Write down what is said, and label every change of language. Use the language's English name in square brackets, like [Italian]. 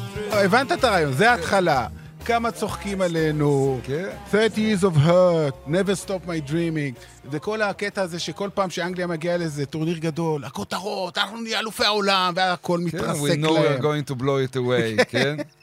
[Hebrew] הבנת את הרעיון, זה ההתחלה. כמה צוחקים עלינו. [English] 30 years of hurt, never stop my dreaming. [Hebrew] וכל הקטע הזה שכל פעם שאנגליה מגיעה לזה, טורניר גדול, הכותרות, אנחנו נהיה אלופי העולם, והכל מתרסק להם. [English] We know we're going to blow it away, כן?